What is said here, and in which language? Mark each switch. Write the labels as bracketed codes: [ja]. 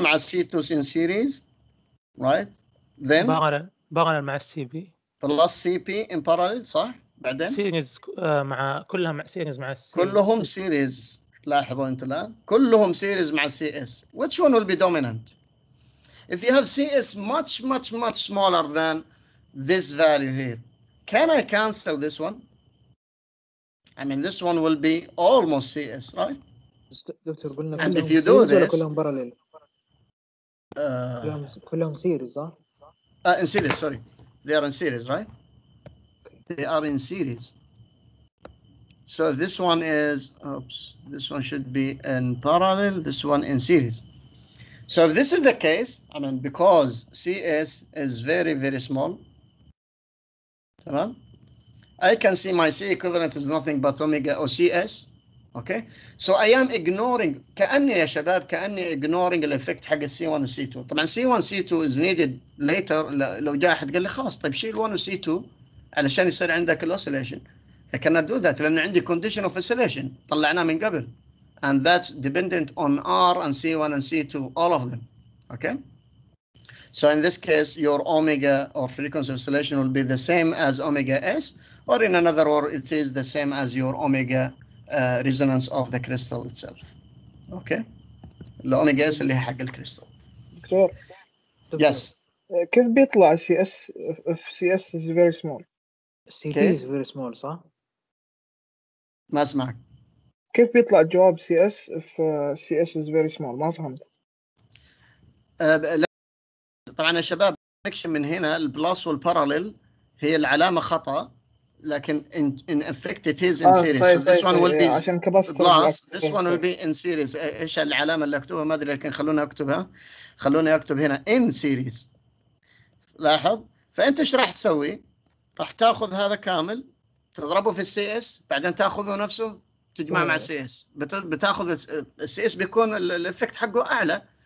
[ar] مع [en] C2 in series, right? Then parallel [ar] مع [en] CP plus CP in parallel, [ar] صح؟ بعدين series مع كلها مع series مع CS. كلهم series, لاحظوا انت الان كلهم series مع CS. [en] Which one will be dominant? If you have CS much much much smaller than this value here, can I cancel this one? I mean, this one will be almost CS, right? And if you do this, in series, sorry, they are in series, right? They are in series. So if this one is, oops, this one should be in parallel, this one in series. So if this is the case, I mean, because CS is very, very small, I can see my C equivalent is nothing but omega or CS. Okay. So I am ignoring, [ar] كأني يا شباب, كأني [en] ignoring the effect [ar] حق [en] C1 and C2. [ar] طبعا [en] C1 and C2 is needed later. [ar] لو جاء أحد قال لي خلاص طيب شيل 1 و C2 علشان يصير عندك الأوسيليشن. [en] I cannot do that. [ar] لأن عندي [en] condition of insulation [ar] طلعنا من قبل. [en] And that's dependent on R and C1 and C2, all of them. Okay? So in this case, your omega or frequency of insulation will be the same as omega S, or in another word, it is the same as your omega resonance of the crystal itself. Okay? [ar] The omega S اللي هي حق الكريستال. [en] Yes. [ar] كيف بيطلع [en] CS if CS is very small? CT okay. is very small, [ar] صح؟ ما اسمعك. كيف بيطلع جواب [en] CS if CS is very small? [ar] ما فهمت. طبعا يا شباب نكشن من هنا البلاس والبارالل هي العلامة خطأ لكن [en] in effect it is in series. [ar] طيب, [en] so this طيب, one will be plus. This one will be in series. [ar] إيش العلامة اللي أكتبها ما أدري لكن خلونا أكتبها. خلونا أكتب هنا [en] in series. [ar] لاحظ فأنت إيش راح تسوي؟ راح تأخذ هذا كامل تضربه في السي اس بعدين تأخذه نفسه تجمع مع السي اس بتأخذ السي اس بيكون الإفكت حقه أعلى.